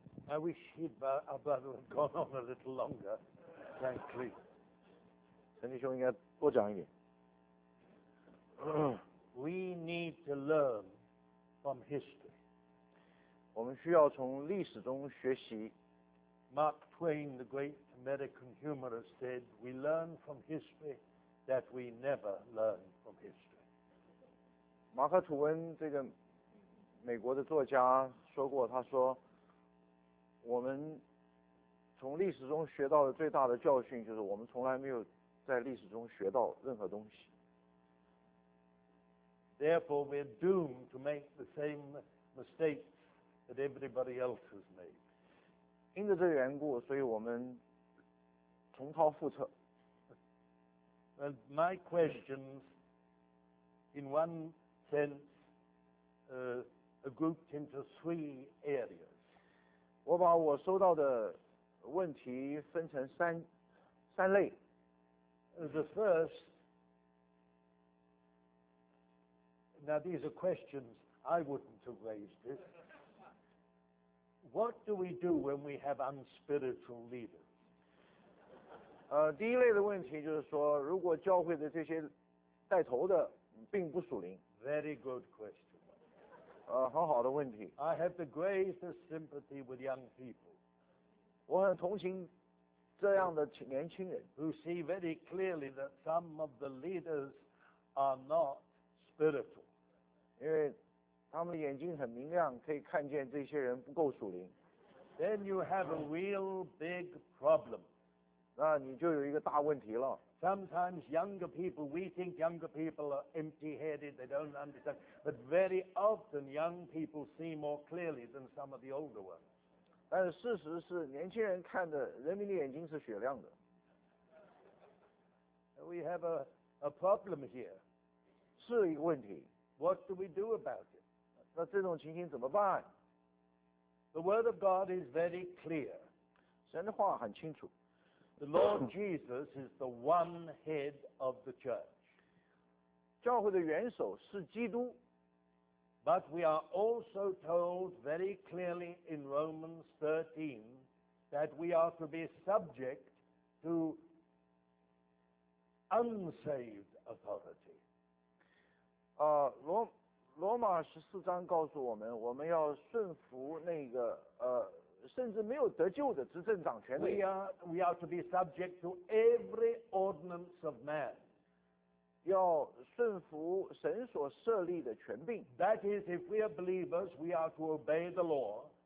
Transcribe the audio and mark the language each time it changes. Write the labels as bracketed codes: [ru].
[en] I wish our brother had gone on a little longer, frankly. [zh] 陈弟兄应该多讲一点。 [en] We need to learn from history. [zh] 我们需要从历史中学习。 [en] Mark Twain, the great American humorist, said, "We learn from history that we never learn from history." [zh] 马克吐温这个美国的作家说过，他说。我们从历史中学到的最大的教训就是我们从来没有在历史中学到任何东西。 [en] Therefore, we're doomed to make the same mistakes that everybody else has made. [zh] 因着这个缘故，所以我们重蹈覆辙。 [en] Well, my questions, in one sense, are grouped into three areas. [zh] 我把我收到的问题分成三类。 [en] The first, now these are questions I wouldn't have raised this. What do we do when we have unspiritual leaders? [zh] 第一类的问题就是说，如果教会的这些带头的并不属灵。 [en] Very good question. [zh] 很好的问题。 [en] I have the greatest sympathy with young people. [zh] 我很同情这样的年轻人。 [en] Who see very clearly that some of the leaders are not spiritual. [zh] 因为他们眼睛很明亮，可以看见这些人不够属灵。 [en] Then you have a real big problem. [zh] 那你就有一个大问题了。 [en] Sometimes younger people, we think younger people are empty-headed, they don't understand, but very often young people see more clearly than some of the older ones. [zh] 但是事实是年轻人看的人民的眼睛是雪亮的。 [en] We have a problem here. [zh] 是一个问题。 [en] What do we do about it? [zh] 那这种情形怎么办？ [en] The word of God is very clear. [zh] 神的话很清楚。 [en] The Lord Jesus is the one head of the church. [zh] 教会的元首是基督。 [en] But we are also told very clearly in Romans 13 that we are to be subject to unsaved authority. [zh] 罗马十四章告诉我们，我们要顺服那个甚至没有得救的执政掌权的。 [en] We are to be subject to every ordinance of man. [zh] 要顺服神所设立的权柄。 [en] That is, if we are believers, we are to obey the law.